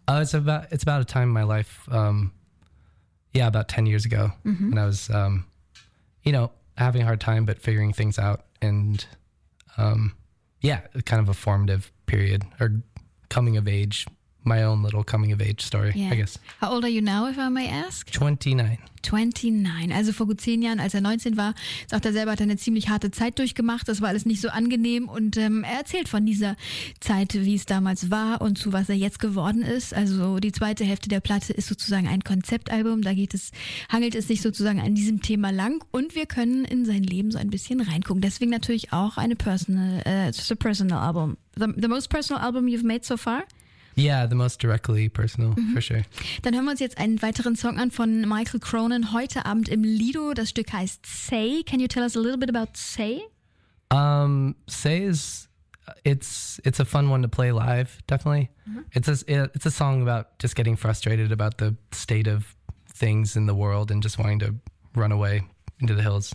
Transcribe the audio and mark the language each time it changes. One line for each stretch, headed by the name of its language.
English: It's about a time in my life. About 10 years ago mm-hmm. when I was, having a hard time, but figuring things out. And kind of a formative period or coming of age, my own little coming of age story, yeah. I guess. How old are you now, if I may ask? 29.
German: Also vor gut 10 Jahren, als er 19 war, sagt er selber, hat er eine ziemlich harte Zeit durchgemacht. Das war alles nicht so angenehm. Und er erzählt von dieser Zeit, wie es damals war und zu was er jetzt geworden ist. Also die zweite Hälfte der Platte ist sozusagen ein Konzeptalbum. Da hangelt es sich sozusagen an diesem Thema lang. Und wir können in sein Leben so ein bisschen reingucken. Deswegen natürlich auch eine
English: personal album. The most personal album you've made so far? Yeah, the most directly personal, mm-hmm. for sure.
German: Dann hören wir uns jetzt einen weiteren Song an von Michael Cronin heute Abend im Lido. Das Stück heißt Say.
English: Can you tell us a little bit about Say? Say is, it's a fun one to play live, definitely. Mm-hmm. It's a song about just getting frustrated about the state of things in the world and just wanting to run away into the hills.